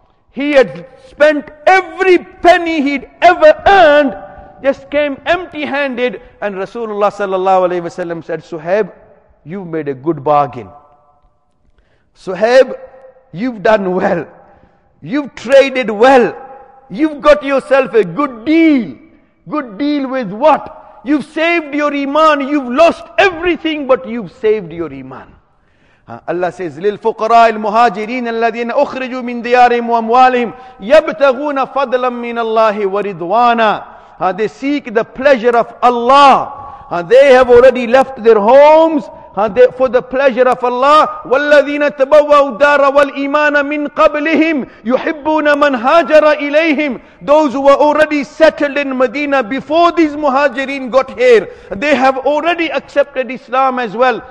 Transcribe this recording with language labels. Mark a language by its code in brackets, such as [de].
[en] He had spent every penny he'd ever earned, just came empty-handed, and Rasulullah sallallahu alaihi wasallam said, Suhaib, you've made a good bargain. Suhaib, you've done well. You've traded well. You've got yourself a good deal. Good deal with what? You've saved your iman. You've lost everything, but you've saved your iman. Allah says, [ar] لِلْفُقَرَاءِ الْمُهَاجِرِينَ الَّذِينَ أُخْرِجُوا مِنْ دِيَارِهِمْ وَأَمْوَالِهِمْ يَبْتَغُونَ فَضْلًا مِنَ اللَّهِ وَرِضْوَانًا. [en] They seek the pleasure of Allah. They have already left their homes for the pleasure of Allah. [ar] وَالَّذِينَ تَبَوَّوا الدَّارَ وَالْإِمَانَ مِنْ قَبْلِهِمْ يُحِبُّونَ مَنْ هَاجَرَ إِلَيْهِمْ. [en] Those who were already settled in Medina before these muhajirin got here, they have already accepted Islam as well.